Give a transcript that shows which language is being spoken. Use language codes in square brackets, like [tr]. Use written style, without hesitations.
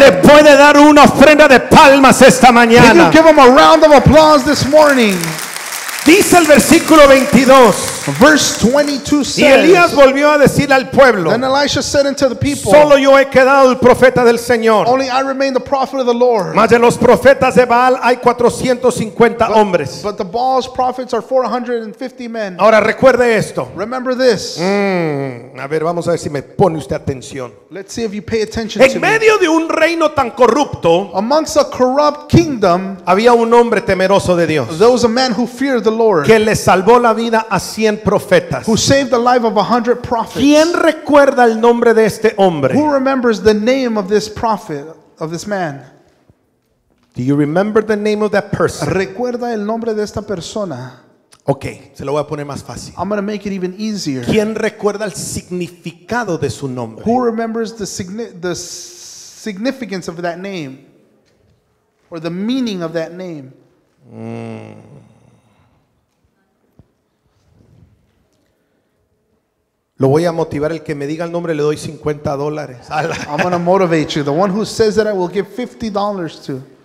[es] Le puede dar una ofrenda de palmas esta mañana. [en] Can you give him a round of applause this morning? [es] Dice el versículo 22. [en] Verse 22 says, [es] y Elías volvió a decir al pueblo, [en] then Elisha said unto the people, [es] solo yo he quedado el profeta del Señor. [en] Only I remain the prophet of the Lord. [es] Mas de los profetas de Baal hay 450 hombres. [en] But the Baal's prophets are 450 men. [es] Ahora recuerde esto. [en] Remember this. [es] A ver, vamos a ver si me pone usted atención. [en] Let's see if you pay attention to me. [es] En medio de un reino tan corrupto, [en] amongst a corrupt kingdom, [es] había un hombre temeroso de Dios. [en] There was a man who feared the Lord. [es] Que le salvó la vida a 100 profetas. [en] Who saved the life of 100 prophets. [es] ¿Quién recuerda el nombre de este hombre? [en] Who remembers the name of this prophet, of this man? Do you remember the name of that person? [es] ¿Recuerda el nombre de esta persona? Okay, se lo voy a poner más fácil. [en] I'm going to make it even easier. [es] ¿Quién recuerda el significado de su nombre? [en] Who remembers the significance of that name? Or the meaning of that name? [es] Lo voy a motivar, el que me diga el nombre le doy $50. [en] I'm going to motivate you. The one who says that I will give $50 to.